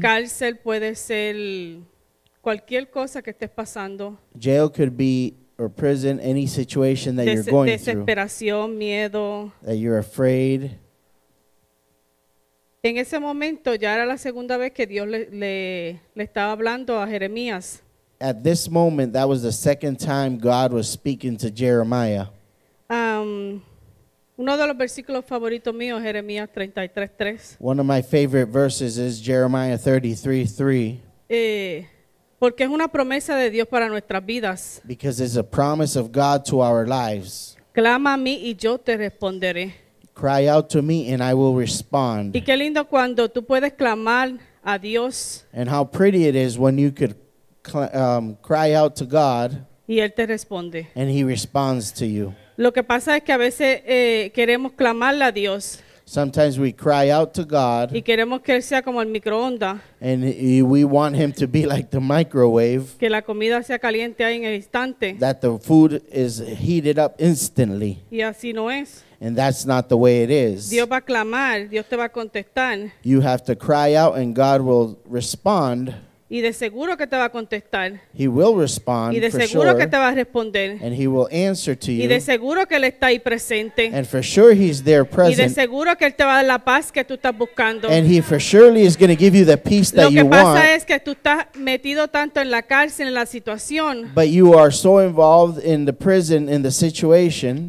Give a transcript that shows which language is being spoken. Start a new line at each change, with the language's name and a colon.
Spanish: cárcel puede ser cualquier cosa que estés pasando,
English: jail could be, or prison, any situation that you're going through,
Spanish: desesperación, miedo,
English: that you're afraid.
Spanish: En ese momento ya era la segunda vez que Dios le estaba hablando a Jeremías.
English: At this moment, that was the second time God was speaking to Jeremiah.
Spanish: Uno de los versículos favoritos míos, Jeremías 33:3.
English: One of my favorite verses is Jeremiah 33:3.
Spanish: Porque es una promesa de Dios para nuestras vidas.
English: Because it's a promise of God to our lives.
Spanish: Clama a mí y yo te responderé.
English: Cry out to me and I will respond.
Spanish: Y qué lindo cuando tú puedes clamar a Dios.
English: And how pretty it is when you could cry out to God.
Spanish: Y él te responde.
English: And he responds to you.
Spanish: Lo que pasa es que a veces queremos clamarle a Dios.
English: Sometimes we cry out to God.
Spanish: Y queremos que él sea como el microondas.
English: And we want him to be like the microwave.
Spanish: Que la comida sea caliente ahí en el instante.
English: That the food is heated up instantly.
Spanish: Y así no es.
English: And that's not the way it is.
Spanish: Dios va a clamar, Dios te va a contestar.
English: You have to cry out and God will respond.
Spanish: Y de seguro que te va a contestar.
English: He will respond.
Spanish: Y de seguro que te va a responder.
English: And he will answer to you.
Spanish: Y de seguro que él está ahí presente.
English: And for sure he's there present.
Spanish: Y de seguro que él te va a dar la paz que tú estás buscando.
English: And he for surely is going to give you the peace that you want.
Spanish: Lo que pasa es que tú estás metido tanto en la cárcel, en la situación.
English: But you are so involved in the prison, in the situation.